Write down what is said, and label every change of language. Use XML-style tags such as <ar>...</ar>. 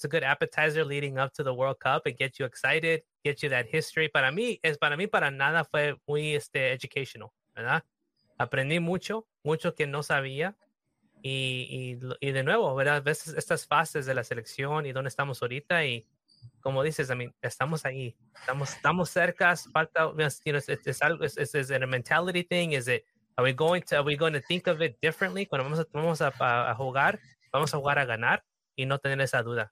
<en>It's a good appetizer leading up to the World Cup. It gets you excited. Get you that history.</en> <es>Para mí, para nada fue muy educational, ¿verdad? Aprendí mucho, mucho que no sabía. Y de nuevo, ¿verdad? Ves estas fases de la selección y dónde estamos ahorita. Y como dices,</es> <en>I mean,</en> <es>estamos ahí. Estamos cerca. Falta,</es> <en>you know, is it a mentality thing? Are we going to think of it differently?</en> <es>Cuando vamos a jugar, vamos a jugar a ganar y no tener esa duda.</es>